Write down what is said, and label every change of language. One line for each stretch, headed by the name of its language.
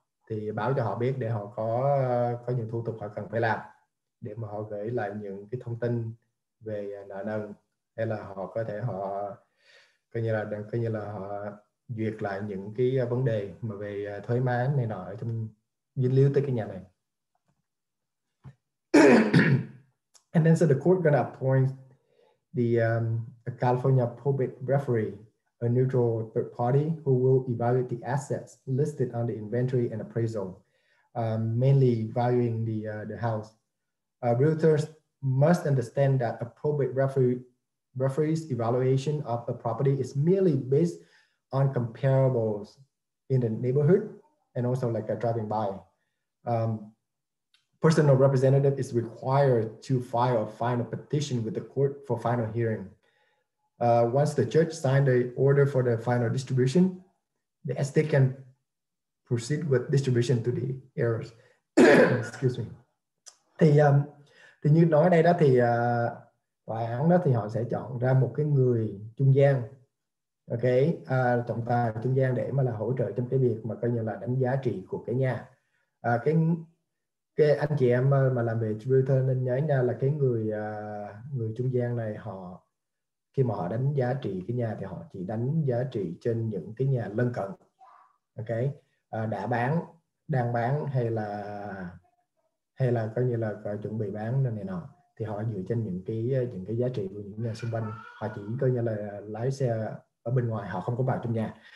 Vietnamese: Thì báo cho họ biết để họ có những thủ tục họ cần phải làm để mà họ gửi lại những cái thông tin về nợ nần, hay là họ có thể họ coi như là họ duyệt lại những cái vấn đề mà về thuế má này nọ trong dính líu tới cái nhà này.
English: And then so the court gonna appoint the California Public Referee, a neutral third party who will evaluate the assets listed on the inventory and appraisal, mainly valuing the house. Realtors must understand that a probate referee's evaluation of the property is merely based on comparables in the neighborhood and also like a driving by. Personal representative is required to file a final petition with the court for final hearing. Once the judge signed the order for the final distribution, the estate can proceed with distribution to the heirs. Excuse me.
Vietnamese: Thì như nói đây đó thì tòa án đó thì họ sẽ chọn ra một cái người trung gian, ok, trọng tài trung gian để mà là hỗ trợ trong cái việc mà coi như là đánh giá trị của cái nhà. Cái anh chị em mà làm về realtor nên nhớ nha, là cái người người trung gian này, họ khi mà họ đánh giá trị cái nhà thì họ chỉ đánh giá trị trên những cái nhà lân cận, ok, đã bán, đang bán hay là coi như là chuẩn bị bán này nọ, thì họ dựa trên những cái giá trị của những nhà xung quanh, họ chỉ coi như là lái xe ở bên ngoài, họ không có vào trong nhà.